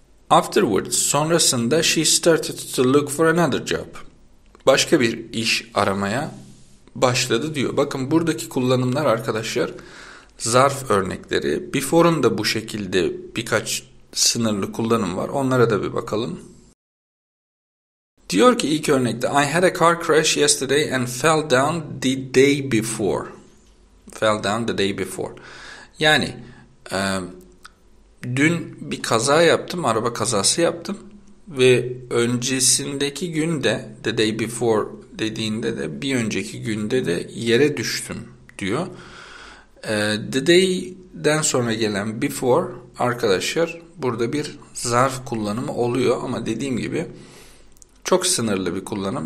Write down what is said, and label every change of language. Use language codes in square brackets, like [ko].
[en] Afterwards [tr] sonrasında [en] she started to look for another job. [tr] Başka bir iş aramaya başladı diyor. Bakın buradaki kullanımlar arkadaşlar zarf örnekleri. Before'un da bu şekilde birkaç sınırlı kullanım var. Onlara da bir bakalım. Diyor ki ilk örnekte [en] I had a car crash yesterday and fell down the day before. Fell down the day before. [tr] Yani dün bir kaza yaptım, araba kazası yaptım ve öncesindeki günde, [en] the day before [tr] dediğinde de bir önceki günde de yere düştüm diyor. The day'den sonra gelen before arkadaşlar burada bir zarf kullanımı oluyor ama dediğim gibi çok sınırlı bir kullanım.